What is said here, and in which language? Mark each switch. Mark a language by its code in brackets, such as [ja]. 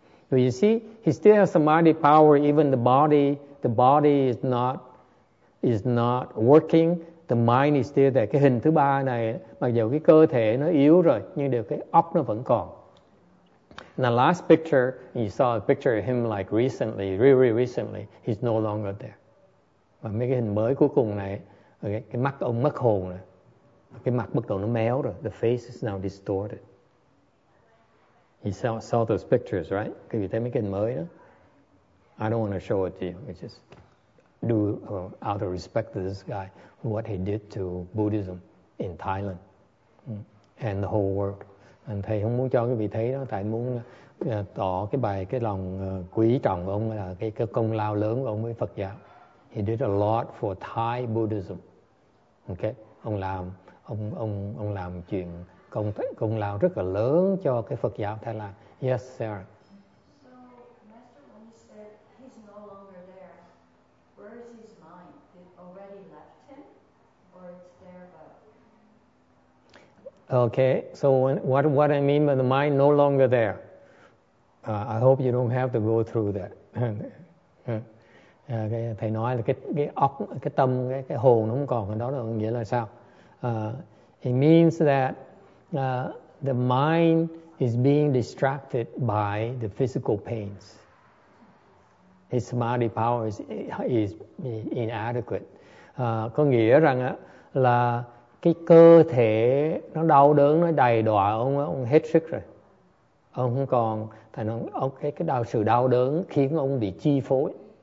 [en] So you see, he still has samadhi power, even the body is not working, the mind is still there. [vi] Cái hình thứ ba này, mặc dù cái cơ thể nó yếu rồi, nhưng được cái óc nó vẫn còn. [en] Now last picture, you saw a picture of him like recently, really recently, he's no longer there. [vi] Và mấy cái hình mới cuối cùng này, okay, cái mắt ông mất hồn rồi, cái mặt bắt đầu nó méo rồi, [en] the face is now distorted. He saw those pictures, right? Can you tell me anything more? I don't want to show it to you. It's just do out of respect to this guy, what he did to Buddhism in Thailand and the whole world. [vi] And thầy không muốn cho quý vị thấy đó, tại muốn tỏ cái bài cái lòng quý trọng của ông là cái công lao lớn của ông với Phật giáo. [en] He did a lot for Thai Buddhism. Okay, [vi] ông làm chuyện. Công lao rất là lớn cho cái Phật giáo Thái Lan. [en] Yes, Sarah. So, Master, when you said he's no longer there, where is his mind? It already left him, or it's there but Okay, so what I mean by the mind no longer there? I hope you don't have to go through that. [vi] Thầy nói là cái óc, cái tâm, cái hồn nó không còn, đó là nghĩa là sao? [en] It means that the mind is being distracted by the physical pains. His samadhi power is inadequate. [vi] Có nghĩa rằng là cái cơ thể nó đau đớn, nó đầy đọa ông hết sức rồi. Ông không còn, thầy nói, cái đau, sự đau đớn khiến ông bị chi phối.